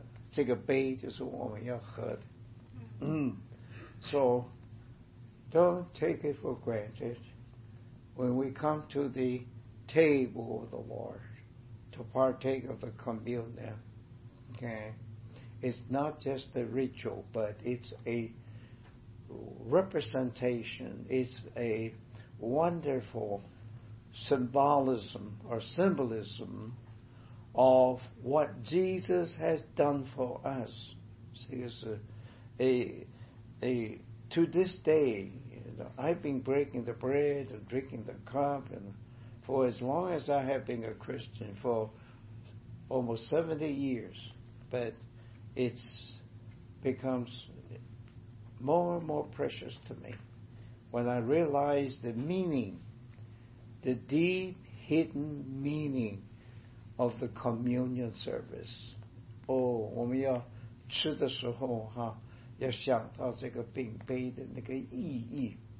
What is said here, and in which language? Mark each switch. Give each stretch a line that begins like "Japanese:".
Chinese: 这个杯就是我们要喝的。
English: So, don't take it for granted. When we come to the table of the Lord, to partake of the communion, okay, it's not just a ritual, but it's a representation, it's a wonderful symbolism or symbolism,of what Jesus has done for us. See, to this day, you know, I've been breaking the bread and drinking the cup and for as long as I have been a Christian, for almost 70 years, but it becomes more and more precious to me when I realize the meaning, the deep hidden meaning,of the communion service.
Chinese: 我们要吃的时候哈，要想到这个饼杯的那个意义。